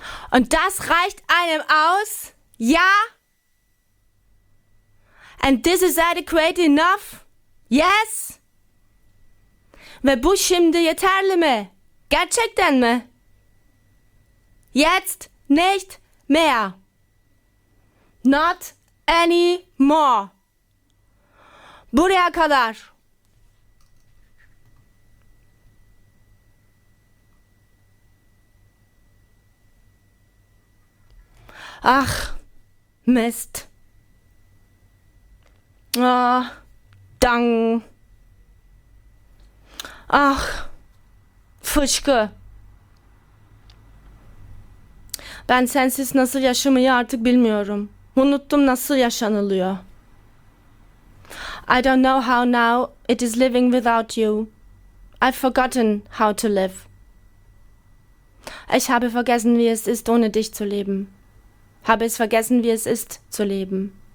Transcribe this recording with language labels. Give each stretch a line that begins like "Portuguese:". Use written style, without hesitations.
German: Und das reicht einem aus? Ja?
English: And this is adequate enough? Yes?
Turkish: Ve bu şimdi yeterli mi? Gerçekten mi?
German: Jetzt nicht mehr.
English: Not any more.
Turkish: Buraya kadar.
German: Ach, Mist.
English: Ah, dang.
Turkish: Ach, Fışkı. Ben sensiz nasıl yaşamayı artık bilmiyorum. Unuttum nasıl yaşanılıyor.
English: I don't know how now it is living without you. I've forgotten how to live.
German: Ich habe vergessen, wie es ist, ohne dich zu leben. Habe es vergessen, wie es ist, zu leben.